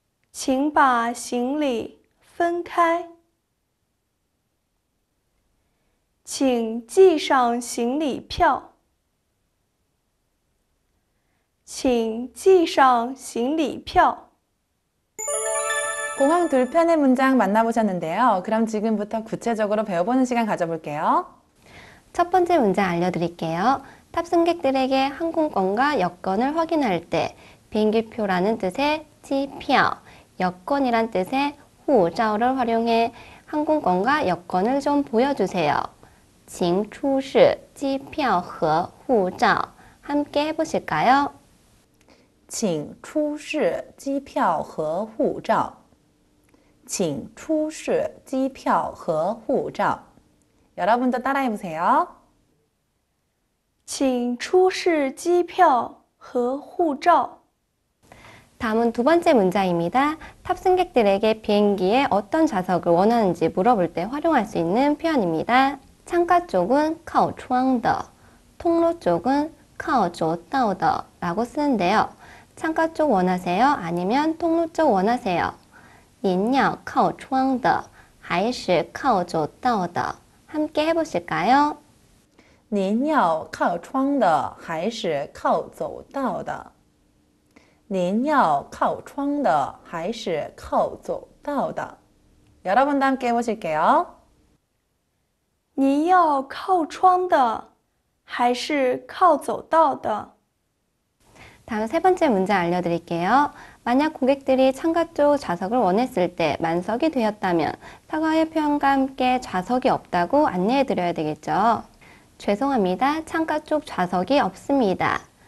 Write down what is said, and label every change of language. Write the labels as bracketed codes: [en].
[zh] 请把行李分开。请系上行李票，请系上行李票。 [ko] 공항 둘편의 문장 만나보셨는데요. 그럼 지금부터 구체적으로 배워보는 시간 가져볼게요. 첫 번째 문제 알려드릴게요. 탑승객들에게 항공권과 여권을 확인할 때, 비행기표라는 뜻의 지표, 여권이란 뜻의 호저를 활용해 항공권과 여권을 좀 보여주세요. [zh] 请出示机票和护照， [ko] 함께 해보실까요？ [zh] 请出示机票和护照。请出示机票和护照。 [ko] 여러분도 따라해보세요. [zh] 请出示机票和护照。 [ko] 다음은 두 번째 문장입니다. 탑승객들에게 비행기에 어떤 좌석을 원하는지 물어볼 때 활용할 수 있는 표현입니다. 창가 쪽은 靠窗的，통로 쪽은 靠走道的라고 쓰는데요. 창가 쪽 원하세요? 아니면 통로 쪽 원하세요? [zh] 您要靠窗的，还是靠走道的？ [ko] 함께 해보실까요? [zh] 您要靠窗的还是靠走道的？您要靠窗的还是靠走道的？ [ko] 여러분도 함께 해보실게요. [zh] 您要靠窗的，还是靠走道的？ [ko] 다음 세 번째 문제 알려드릴게요. 만약 고객들이 창가 쪽 좌석을 원했을 때 만석이 되었다면 사과의 표현과 함께 좌석이 없다고 안내해 드려야 되겠죠. 죄송합니다. 창가 쪽 좌석이 없습니다.